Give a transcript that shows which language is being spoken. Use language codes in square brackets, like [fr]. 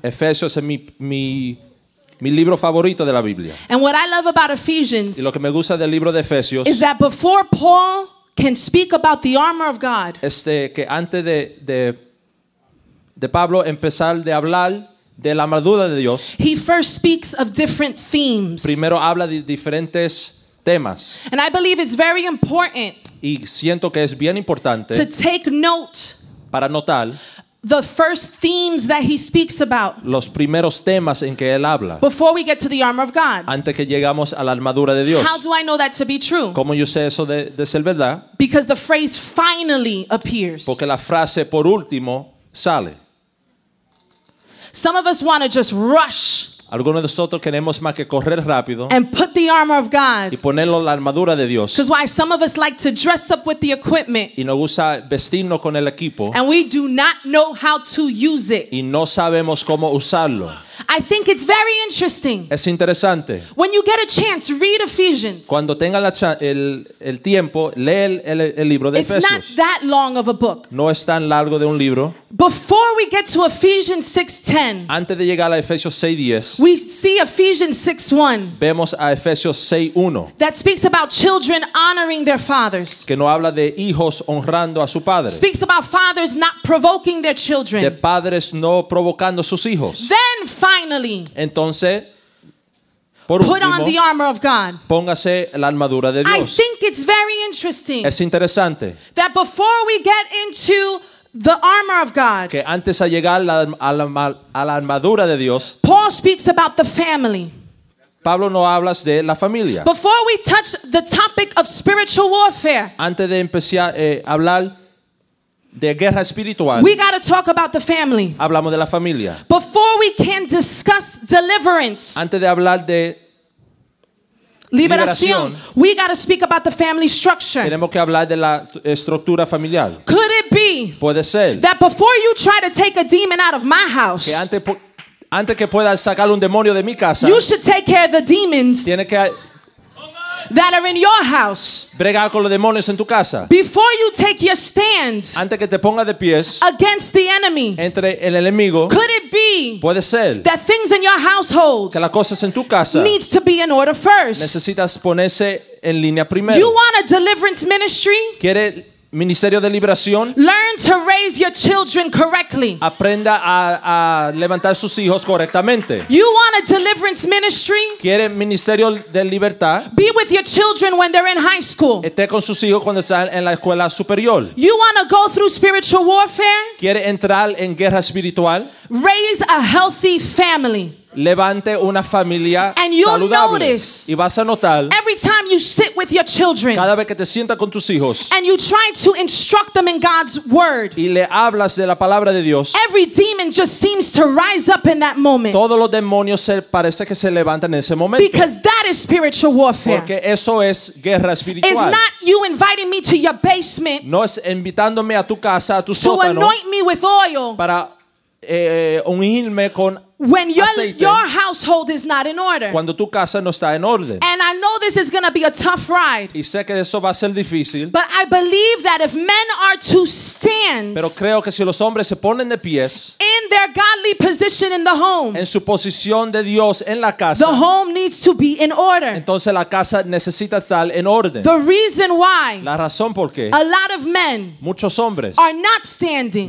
[es] Efesios es mi libro favorito de la Biblia. [en] And what I love about Ephesians, [es] y lo que me gusta del libro de Efesios, [en] is that before Paul can speak about the armor of God, [es] que antes de Pablo empezar de hablar de la armadura de Dios, [en] he first speaks of different themes. [es] Primero habla de diferentes temas. [en] And I believe it's very important. [es] Y siento que es bien importante. [en] To take note. [es] Para notar. [en] The first themes that he speaks about. [es] Los primeros temas en que él habla. [en] Before we get to the armor of God. [es] Antes que llegamos a la armadura de Dios. [en] How do I know that to be true? [es] ¿Cómo yo sé eso de ser verdad? [en] Because the phrase finally appears. [es] Porque la frase por último sale. [en] Some of us want to just rush. [es] Algunos de nosotros queremos más que correr rápido. [en] And put the armor of God. [es] Y ponerlo la armadura de Dios. [en] Because why? Some of us like to dress up with the equipment. [es] Y nos gusta vestirnos con el equipo. [en] And we do not know how to use it. [es] Y no sabemos cómo usarlo. [en] I think it's very interesting. [es] Es interesante. [en] When you get a chance, read Ephesians. [es] Cuando tenga la el tiempo, lee el libro de Efesios. [en] It's not that long of a book. [es] No es tan largo de un libro. [en] Before we get to Ephesians 6:10. [es] Antes de llegar a Efesios 6:10. [en] We see Ephesians 6:1. [es] Vemos a Efesios 6:1. [en] That speaks about children honoring their fathers. [es] Que no habla de hijos honrando a su padre. [en] Speaks about fathers not provoking their children. [es] De padres no provocando sus hijos. [en] Then finally, [es] entonces, por [en] put [es] último, [en] on the armor of God. [es] Póngase la armadura de Dios. [en] I think it's very interesting. [es] Es interesante. [en] That before we get into the armor of God. [es] Que antes de llegar a la armadura de Dios. [en] Paul speaks about the family. [es] Pablo no hablas de la familia. [en] Before we touch the topic of spiritual warfare. [es] Antes de empezar a hablar de guerra espiritual. [en] We got to talk about the family. [es] Hablamos de la familia. [en] Before we can discuss deliverance. [es] Antes de hablar de [en] liberación, we got to speak about the family structure. [es] Tenemos que hablar de la estructura familiar. [en] Could it be? [es] Puede ser. [en] That before you try to take a demon out of my house. [es] Que antes que puedas sacar un demonio de mi casa. [en] You should take care of the demons. [es] Tiene que [en] that are in your house. [es] Bregar con los demonios en tu casa. [en] Before you take your stand. [es] Antes que te ponga de pies. [en] Against the enemy. [es] Entre el enemigo. [en] Could it be? [es] Puede ser. [en] That things in your household. [es] Que las cosas en tu casa. [en] Needs to be in order first. [es] Necesitas ponerse en línea primero. [en] You want a deliverance ministry? [es] ¿Quiere ministerio de liberación? [en] Learn to raise your children correctly. [es] Aprenda a levantar sus hijos correctamente. [en] You want a deliverance ministry? [es] ¿Quiere ministerio de libertad? [en] Be with your children when they're in high school. [es] Esté con sus hijos cuando están en la escuela superior. [en] You want to go through spiritual warfare? [es] ¿Quiere entrar en guerra espiritual? [en] Raise a healthy family. [es] Levante una familia [en] and you'll [es] saludable. [en] Notice [es] y vas a notar, [en] every time you sit with your children [es] cada vez que te sientas con tus hijos, [en] and you try to instruct them in God's word [es] y le hablas de la palabra de Dios, [en] every demon just seems to rise up in that moment. [es] Todos los demonios parece que se levantan en ese momento. [en] Because that is spiritual warfare. [es] Porque eso es guerra espiritual. [en] It's not you inviting me to your basement. [es] No es invitándome a tu casa, a tu sótano, [en] to anoint me with oil. [es] Para ungirme con [en] when [es] aceite, [en] your household is not in order. [es] Cuando tu casa no está en orden. [en] And I know this is going to be a tough ride. [es] Y sé que eso va a ser difícil. [en] But I believe that if men are to stand. [es] Pero creo que si los hombres se ponen de pies. [en] In their godly position in the home. [es] En su posición de Dios en la casa. [en] The home needs to be in order. [es] Entonces la casa necesita estar en orden. [en] The reason why. [es] La razón por qué. [en] A lot of men. [es] Muchos hombres. [en] Are not standing.